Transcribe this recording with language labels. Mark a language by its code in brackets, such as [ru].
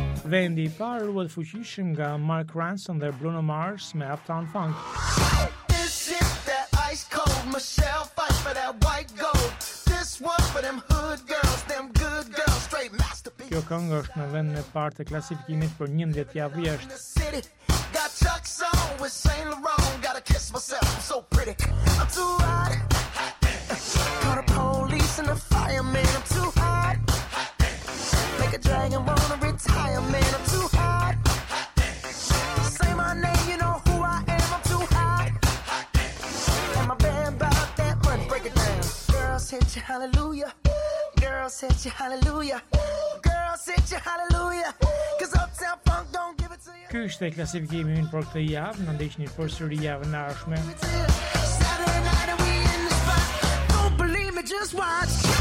[sq] Vendi i parë ruhet fuqishëm nga Mark Ronson dhe Bruno Mars me Uptown Funk. [en] This is that ice cold Michelle fight for that white gold. This one for them hood girls, them good girls, straight masterpiece. [sq] Kjo këngë është në vendin e parë të klasifikimit për 11 javë vjesht. [en] Got chucks on with Saint Laurent, gotta kiss myself, I'm so pretty. I'm too hot. Call the police and the fireman, I'm too hot. Make a dragon wanna retire, man, I'm too hot. Say my name, you know who I am, I'm too hot. And my band bought that money, break it down. Girls hit you, hallelujah. Girls hit you, hallelujah. Girls hit you, hallelujah. Cause Uptown Funk don't give it to you. [sq] Ky është e klasifikimi ynë për këtë javë, në ndeshni përsëri javën e ardhshme. [en] Saturday night and we in the spot. Don't believe me, just watch.